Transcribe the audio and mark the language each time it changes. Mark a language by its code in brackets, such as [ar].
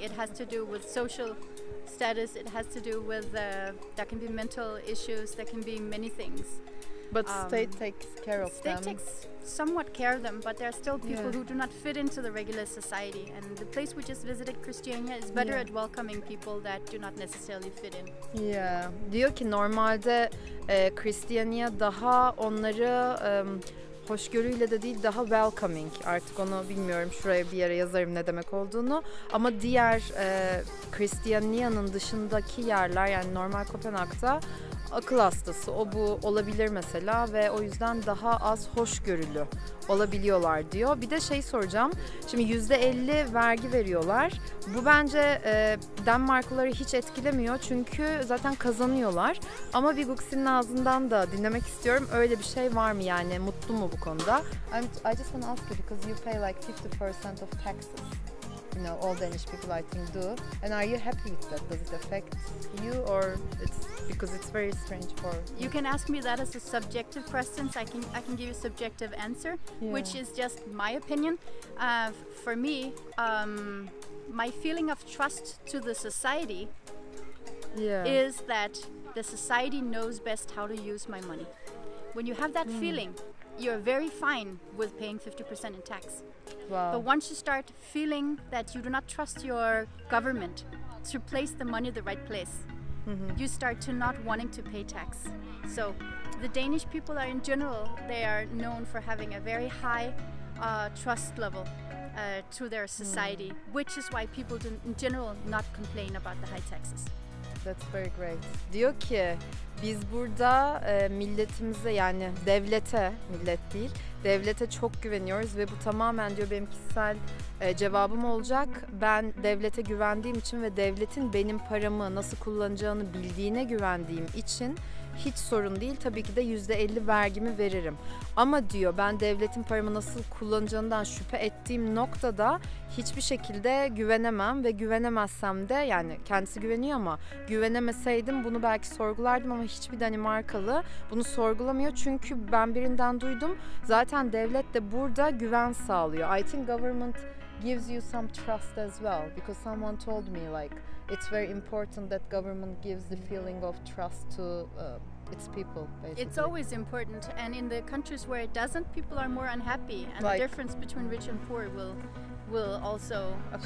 [en] It has to do with social status. It has to do with there can be mental issues. There can be many things. But state takes care of them. State takes somewhat care of them, but there are still people who do not fit into the regular society. And the place we just visited, Christiania, is better at welcoming people that do not necessarily fit in. Yeah. [tr] Diyor ki normalde Christiania daha onları hoşgörüyle de değil, daha welcoming. Artık onu bilmiyorum, şuraya bir yere yazarım ne demek olduğunu. Ama diğer Christiania'nın dışındaki yerler, yani normal Kopenhag'da akıl hastası, o bu olabilir mesela ve o yüzden daha az hoşgörülü olabiliyorlar diyor. Bir de şey soracağım, şimdi %50 vergi veriyorlar. Bu bence Denmarkları hiç etkilemiyor çünkü zaten kazanıyorlar. Ama bir Guxi'nin ağzından da dinlemek istiyorum, öyle bir şey var mı, yani mutlu mu bu konuda? [en] I just want to ask you, because you pay like 50% of taxes. You know, all Danish people I think do. And are you happy with that? Does it affect you or it's because it's very strange for you? You can ask me that as a subjective question. I can give you a subjective answer, which is just my opinion. For me, my feeling of trust to the society is that the society knows best how to use my money. When you have that feeling, you're very fine with paying 50% in tax. Wow. But once you start feeling that you do not trust your government to place the money in the right place, you start to not wanting to pay tax. So the Danish people are in general, they are known for having a very high trust level to their society, which is why people do in general not complain about the high taxes. That's very great. [tr] Diyor ki biz burada milletimize, yani devlete, millet değil, devlete çok güveniyoruz ve bu tamamen diyor benim kişisel cevabım olacak. Ben devlete güvendiğim için ve devletin benim paramı nasıl kullanacağını bildiğine güvendiğim için hiç sorun değil. Tabii ki de %50 vergimi veririm. Ama diyor ben devletin paramı nasıl kullanacağından şüphe ettiğim noktada hiçbir şekilde güvenemem ve güvenemezsem de, yani kendisi güveniyor ama güvenemeseydim bunu belki sorgulardım, ama hiçbir Danimarkalı bunu sorgulamıyor. Çünkü ben birinden duydum. Zaten devlet de burada güven sağlıyor. [en] I think government gives you some trust as well, because someone told me like it's very important that government gives the feeling of trust to its people, basically. It's always important, and in the countries where it doesn't, people are more unhappy, and like, the difference between rich and poor will also occur.